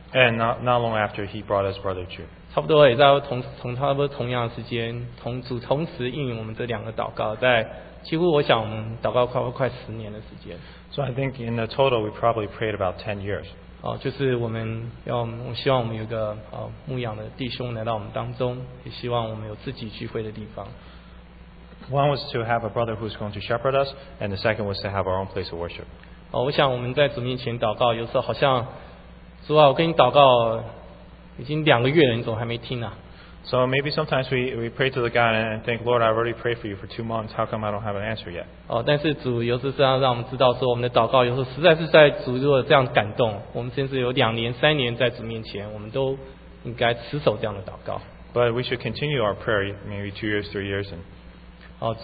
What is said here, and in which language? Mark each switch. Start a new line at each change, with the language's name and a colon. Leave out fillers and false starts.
English: And not long after He brought us brother Jude.
Chinese: 差不多也在同差不多同样的时间，同主同时应我们这两个祷告，在几乎我想我们祷告快十年的时间。
English: So I think in the total we probably prayed about 10 years.
Chinese: 就是我希望我们有个牧养的弟兄来到我们当中，也希望我们有自己聚会的地方。
English: One was to have a brother who's going to shepherd us, and the second was to have our own place of worship.
Chinese: 我想我们在主面前祷告，有时候好像主啊，我跟你祷告已经两个月了，你怎么还没听呢？
English: So maybe sometimes we pray to the God and think, Lord, I've already prayed for you for 2 months. How come I don't have an answer yet?
Chinese: 但是主有时是要让我们知道说，我们的祷告有时候实在是在主如果这样感动，我们甚至有两年、三年在主面前，我们都应该持守这样的祷告。
English: But we should continue our prayer maybe 2 years, 3 years, and